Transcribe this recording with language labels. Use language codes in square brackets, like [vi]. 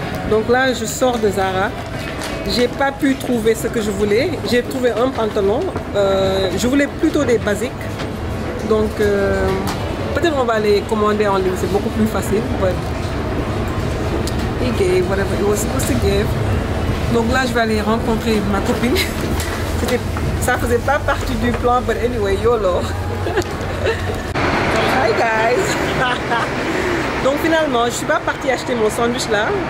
[fr] Donc là, je sors de Zara. J'ai pas pu trouver ce que je voulais. J'ai trouvé un pantalon. Je voulais plutôt des basiques. Donc peut-être on va les commander en ligne. C'est beaucoup plus facile. [en] But he gave whatever he was supposed to give. [fr] Donc là, je vais aller rencontrer ma copine. Ça faisait pas partie du plan, [en] but anyway, YOLO. Hi guys. [fr] Donc finalement, je ne suis pas partie acheter mon sandwich là.